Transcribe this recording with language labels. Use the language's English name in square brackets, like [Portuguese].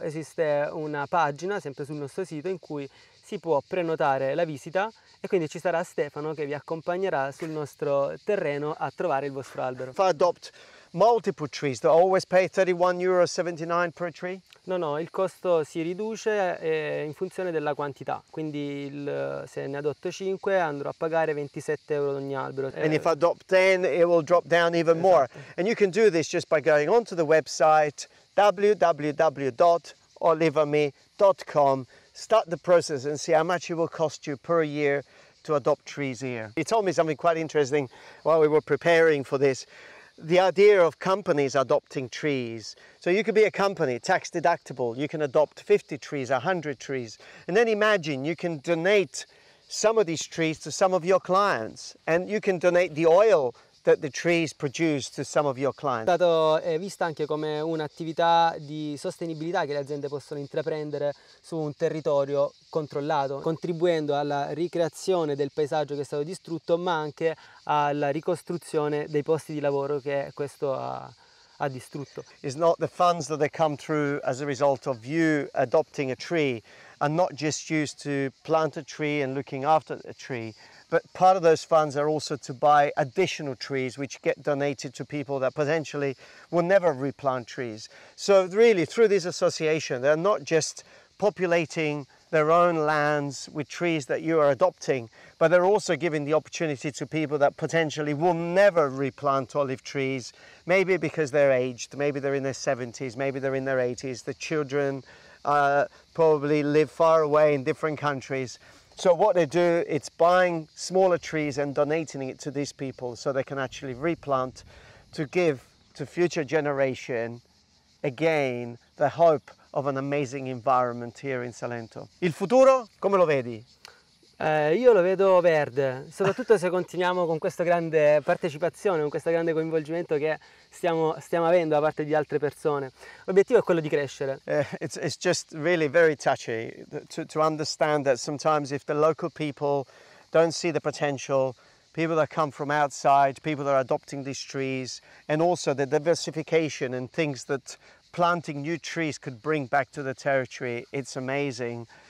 [Italian] Esiste una pagina sempre sul nostro sito in cui si può prenotare la visita e quindi ci sarà Stefano che vi accompagnerà sul nostro terreno a trovare il vostro albero. [English] Fa adopt multiple trees, do always pay 31,79 euro per tree? [Italian] No, no, il costo si riduce in funzione della quantità, quindi se ne adotto 5 andrò a pagare 27 euro ogni albero. [English] And if I adopt 10, it will drop down even [Italian] esatto. [English] more. And you can do this just by going onto the website www.olivami.com, start the process and see how much it will cost you per year to adopt trees here. You told me something quite interesting while we were preparing for this. The idea of companies adopting trees. So you could be a company, tax deductible, you can adopt 50 trees, 100 trees, and then imagine you can donate some of these trees to some of your clients, and you can donate the oil that the trees produce to some of your clients. [Italian] È stato visto anche come un'attività di sostenibilità che le aziende possono intraprendere su un territorio controllato, contribuendo alla ricreazione del paesaggio che è stato distrutto, ma anche alla ricostruzione dei posti di lavoro che questo ha distrutto. [English] It's not the funds that they come through as a result of you adopting a tree are not just used to plant a tree and looking after a tree. But part of those funds are also to buy additional trees which get donated to people that potentially will never replant trees. So really, through this association, they're not just populating their own lands with trees that you are adopting, but they're also giving the opportunity to people that potentially will never replant olive trees, maybe because they're aged, maybe they're in their 70s, maybe they're in their 80s, the children probably live far away in different countries. So what they do, it's buying smaller trees and donating it to these people so they can actually replant to give to future generation again the hope of an amazing environment here in Salento. [Italian] Il futuro, come lo vedi? Io lo vedo verde, soprattutto se continuiamo con questa grande partecipazione, con questo grande coinvolgimento che stiamo avendo da parte di altre persone. L'obiettivo è quello di crescere. [English] It's just really very touchy to understand that sometimes if the local people don't see the potential, people that come from outside, people that are adopting these trees, and also the diversification and things that planting new trees could bring back to the territory, it's amazing.